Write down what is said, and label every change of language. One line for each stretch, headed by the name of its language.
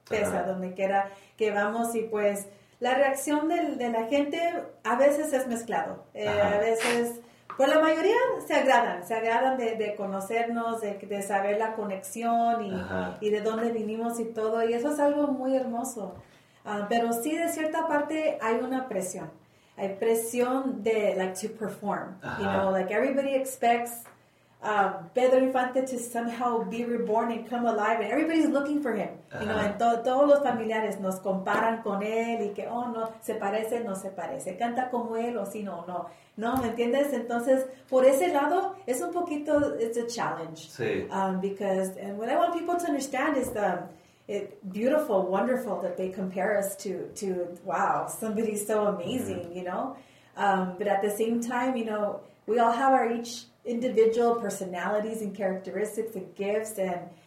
Spanish: Pesa donde quiera que vamos, y pues... La reacción de la gente a veces es mezclado. A veces, pues la mayoría se agradan de conocernos, de saber la conexión y de dónde vinimos y todo. Y eso es algo muy hermoso. Pero sí, de cierta parte hay una presión. Hay presión de,
English: to perform. Everybody expects Pedro Infante to somehow be reborn and come alive, and everybody's looking for him.
Spanish: Todos los familiares nos comparan con él, y que, oh, no, se parece, no se parece, canta como él, o sí, no, no. ¿No? ¿Me entiendes? Entonces, por ese lado, es un poquito,
English: it's a challenge.
Spanish: Sí.
English: And what I want people to understand is beautiful, wonderful that they compare us to wow, somebody so amazing, but at the same time, we all have our each individual personalities and characteristics and gifts, and